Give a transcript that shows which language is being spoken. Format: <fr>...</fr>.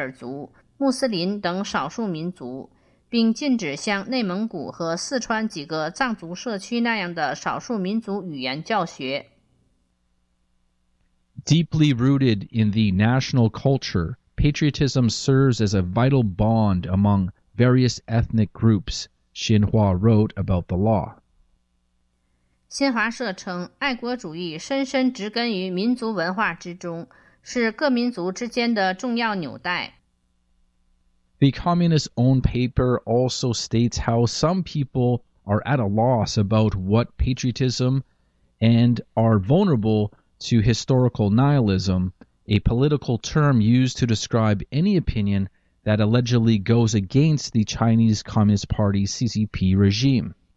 <zh>该法还旨在构建政府民族团结政策的一部分。该政策针对新疆维吾尔族、穆斯林等少数民族。并禁止向内蒙古和四川几个藏族社区那样的少数民族语言教学。</zh> <en>Deeply rooted in the national culture, patriotism serves as a vital bond among various ethnic groups, Xinhua wrote about the law.</en> <zh>新华社称，爱国主义深深植根于民族文化之中，是各民族之间的重要纽带。</zh> <en>The Communist-owned paper also states how some people are at a loss about what patriotism and are vulnerable to historical nihilism, a political term used to describe any opinion that allegedly goes against the Chinese Communist Party CCP regime.</en>